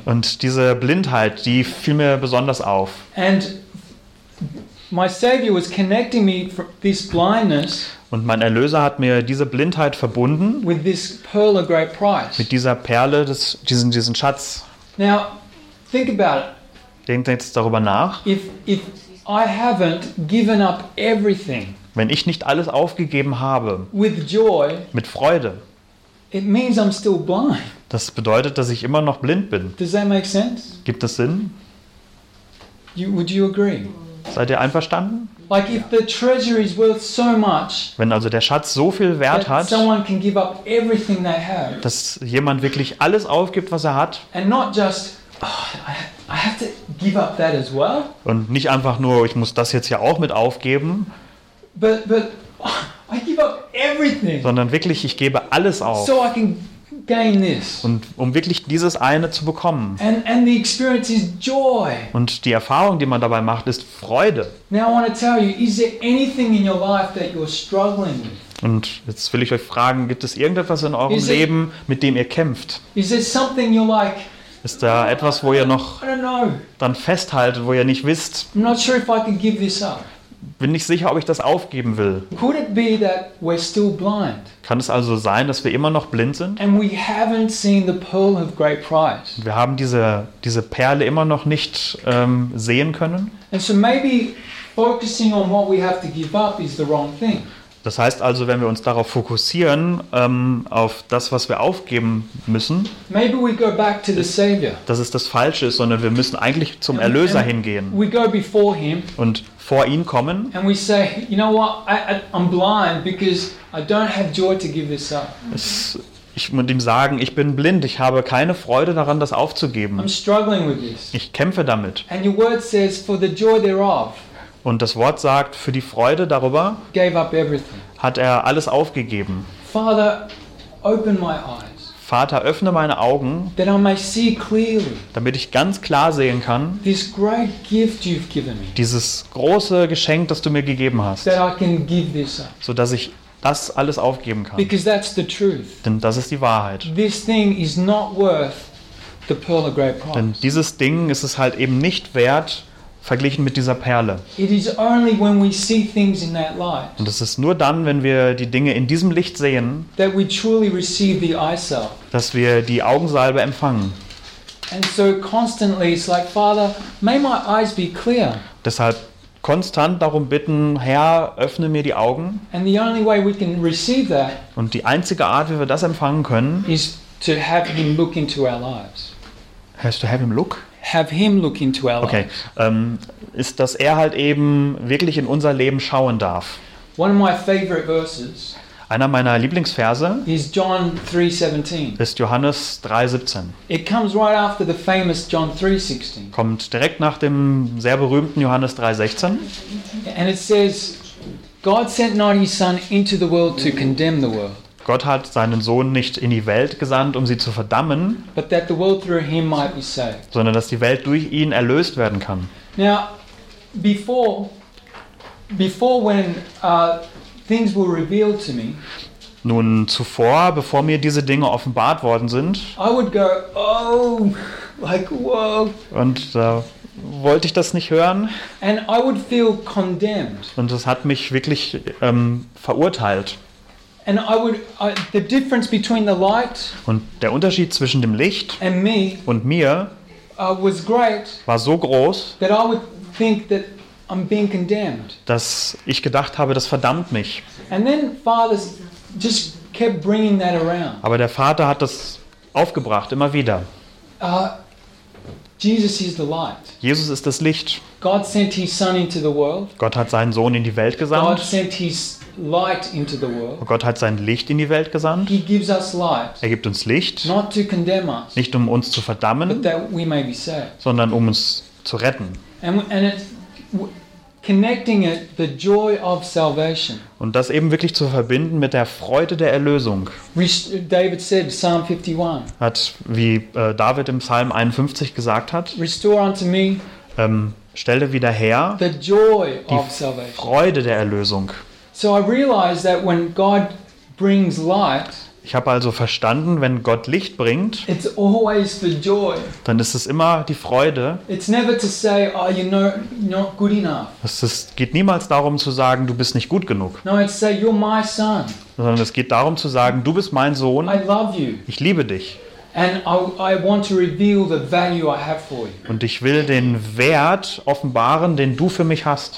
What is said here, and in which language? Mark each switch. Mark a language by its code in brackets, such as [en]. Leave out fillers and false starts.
[de] Und diese Blindheit, die fiel mir besonders auf. [en] And my Savior was connecting me for this blindness. [de] Und mein Erlöser hat mir diese Blindheit verbunden. [en] With this pearl of great price. [de] Mit dieser Perle, diesen Schatz. [en] Now, think about it. [de] Denkt jetzt darüber nach. [en] If I haven't given up everything. [de] Wenn ich nicht alles aufgegeben habe, [en] with joy, [de] mit Freude, [en] it means I'm still blind. [de] Das bedeutet, dass ich immer noch blind bin. [en] Does that make sense? [de] Gibt das Sinn? [en] Would you agree? [de] Seid ihr einverstanden? [en] Like if the treasure is worth so much, [de] wenn also der Schatz so viel Wert hat, [en] someone can give up everything they have, [de] dass jemand wirklich alles aufgibt, was er hat, [en] and not just, I have to give up that as well, [de] und nicht einfach nur, ich muss das jetzt ja auch mit aufgeben, [en] But I give up everything. [de] Sondern wirklich, ich gebe alles auf. [en] So I can gain this. [de] Und um wirklich dieses eine zu bekommen. [en] And the experience is joy. [de] Und die Erfahrung, die man dabei macht, ist Freude. [en] Now I want to tell you, is there anything in your life that you're struggling with? [de] Und jetzt will ich euch fragen, gibt es irgendetwas in eurem Leben, mit dem ihr kämpft? [en] Is there something you're like? [de] Ist da etwas, wo ihr noch dann festhaltet, wo ihr nicht wisst? [en] I'm not sure if I can give this up. [de] Bin nicht sicher, ob ich das aufgeben will. [en] Could it be that we're still blind? [de] Kann es also sein, dass wir immer noch blind sind? [en] And we haven't seen the pearl of great price. [de] Wir haben diese Perle immer noch nicht sehen können. [en] And so maybe focusing on what we have to give up is the wrong thing. [de] Das heißt also, wenn wir uns darauf fokussieren, auf das, was wir aufgeben müssen, [en] maybe we go back to the Savior. [de] Dass es das Falsche ist, sondern wir müssen eigentlich zum Erlöser [en] and [de] hingehen. [en] We go before him. [de] Und vor ihn kommen. [en] And we say, you know what? I'm blind because I don't have joy to give this up. [de] Ich muss ihm sagen, ich bin blind. Ich habe keine Freude daran, das aufzugeben. [en] I'm struggling with this. [de] Ich kämpfe damit. [en] And your word says, for the joy thereof. [de] Und das Wort sagt, für die Freude darüber [en] gave up everything. [de] Hat er alles aufgegeben. [en] Father, open my eyes. [de] Vater, öffne meine Augen, [en] that I may see clearly, [de] damit ich ganz klar sehen kann, [en] this great gift you've given me, [de] dieses große Geschenk, das du mir gegeben hast, [en] that I can give this up. [de] So dass ich das alles aufgeben kann. [en] Because that's the truth. [de] Denn das ist die Wahrheit. [en] This thing is not worth the pearl of great price. [de] Denn dieses Ding ist es halt eben nicht wert, verglichen mit dieser Perle. [en] It is only when we see things in that light, [de] und es ist nur dann, wenn wir die Dinge in diesem Licht sehen, [en] that we truly receive the eye salve, [de] dass wir die Augensalbe empfangen. [en] And so constantly it's like, Father, may my eyes be clear. [de] Deshalb konstant darum bitten, Herr, öffne mir die Augen. [en] And the only way we can receive that, [de] und die einzige Art, wie wir das empfangen können, [en] is to have him look into our lives. Has to have him look? Have him look into our [de] okay, ist, dass er halt eben wirklich in unser Leben schauen darf. [en] One of my favorite verses, [de] einer meiner Lieblingsverse, [en] is John 3:17. [de] Ist Johannes 3:17. [en] It comes right after the famous John 3:16. [de] Kommt direkt nach dem sehr berühmten Johannes 3:16. [en] And it says, God sent not his son into the world to condemn the world. [de] Gott hat seinen Sohn nicht in die Welt gesandt, um sie zu verdammen, [en] but that the world through him might be saved. [de] Sondern dass die Welt durch ihn erlöst werden kann. [en] Now, before when things were revealed to me, [de] nun zuvor, bevor mir diese Dinge offenbart worden sind, [en] I would go, oh, like, whoa. [de] Und da wollte ich das nicht hören. [en] And I would feel condemned. [de] Und das hat mich wirklich verurteilt. [en] And I would the difference between the light [de] und der Unterschied zwischen dem Licht [en] and me [de] und mir [en] was great, [de] war so groß, [en] that I would think that I'm being condemned, [de] dass ich gedacht habe, das verdammt mich. [en] And then Father just kept bringing that around. [de] Aber der Vater hat das aufgebracht immer wieder. [en] Jesus is the light. [de] Jesus ist das Licht. [en] God sent his son into the world. [de] Gott hat seinen Sohn in die Welt gesandt. [en] God sent his light into the world. [de] Gott hat sein Licht in die Welt gesandt. [en] He gives us light. [de] Er gibt uns Licht. [en] Not to condemn us. [de] Nicht um uns zu verdammen. [en] But that we may be saved. [de] Sondern um uns zu retten. [en] And it's connecting it the joy of salvation. [de] Und das eben wirklich zu verbinden mit der Freude der Erlösung. [en] David said, Psalm 51. [de] Hat wie David im Psalm 51 gesagt hat. [en] Restore unto me. [de] stelle wieder her [en] the joy [de] die [en] of salvation. [de] Freude der Erlösung. [en] So I realized that when God brings light, [de] ich habe also verstanden, wenn Gott Licht bringt, [en] it's always the joy. [de] Dann ist es immer die Freude. [en] It's never to say, oh, you're not good enough. [de] Es ist, geht niemals darum zu sagen, du bist nicht gut genug. [en] No, it's say, you're my son. [de] Sondern es geht darum zu sagen, du bist mein Sohn. [en] I love you. [de] Ich liebe dich. [en] And I want to reveal the value I have for you. [de] Und ich will den Wert offenbaren, den du für mich hast.